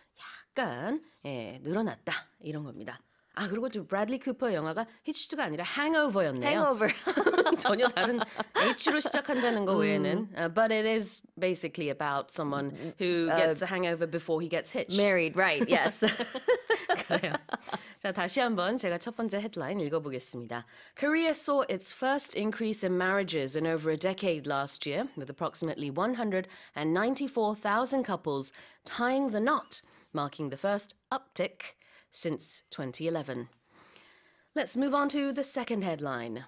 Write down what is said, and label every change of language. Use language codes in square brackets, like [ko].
[ko] 약간 예, 늘어났다 이런 겁니다. 아, 그리고 좀 브래들리 쿠퍼 영화가 히치드가 아니라 Hangover였네요. [en] Hangover. [ko] 전혀 다른 H로 시작한다는 거 외에는. [en] But it is basically about someone who gets a hangover before he gets hitched. Married, right, yes. [ko] 그래요. 자, 다시 한번 제가 첫 번째 헤드라인 읽어보겠습니다. [en] Korea saw its first increase in marriages in over a decade last year, with approximately 194,000 couples tying the knot, marking the first uptick since 2011. Let's move on to the second headline.